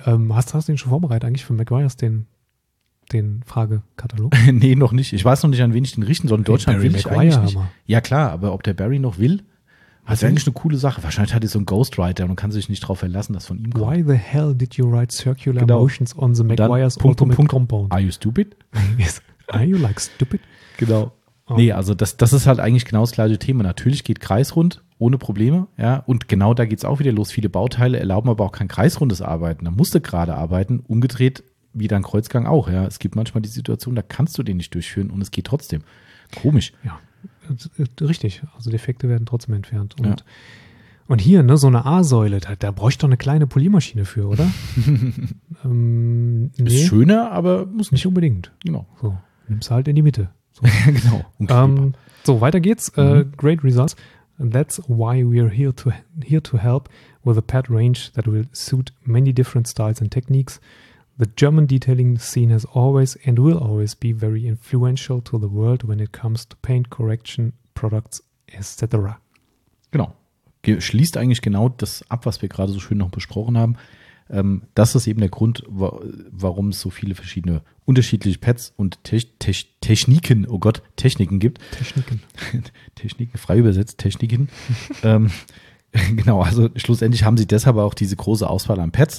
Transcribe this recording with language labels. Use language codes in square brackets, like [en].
[de] Hast du den schon vorbereitet eigentlich für McGuire's den Fragekatalog? Nee, noch nicht. Ich weiß noch nicht, an wen ich den richten soll. In Deutschland will ich eigentlich nicht. Ja klar, aber ob der Barry noch will, ist eigentlich eine coole Sache. Wahrscheinlich hat er so einen Ghostwriter und kann sich nicht drauf verlassen, dass von ihm kommt. [en] Why the hell did you write circular motions on the McGuire's Ultimate Compound? Are you stupid? Yes. Are you like stupid? [de] Genau. Nee, also das ist halt eigentlich genau das gleiche Thema. Natürlich geht kreisrund ohne Probleme, ja. Und genau da geht es auch wieder los. Viele Bauteile erlauben aber auch kein kreisrundes Arbeiten. Da musst du gerade arbeiten, umgedreht wie dein Kreuzgang auch, ja. Es gibt manchmal die Situation, da kannst du den nicht durchführen und es geht trotzdem. Komisch. Ja, richtig. Also Defekte werden trotzdem entfernt. Und, ja. Und hier, ne, so eine A-Säule, da bräuchte ich doch eine kleine Poliermaschine für, oder? nee. Ist schöner, aber muss nicht unbedingt. Genau. So, nimm's halt in die Mitte. So. Genau. So, weiter geht's. [en] Great results. That's why we're here to help with a pad range that will suit many different styles and techniques. The German detailing scene has always and will always be very influential to the world when it comes to paint correction products, etc. [de] Genau. Schließt eigentlich genau das ab, was wir gerade so schön noch besprochen haben. Das ist eben der Grund, warum es so viele verschiedene unterschiedliche Pads und Techniken, oh Gott, Techniken gibt. Techniken. Techniken, frei übersetzt, Techniken. genau, also schlussendlich haben sie deshalb auch diese große Auswahl an Pads.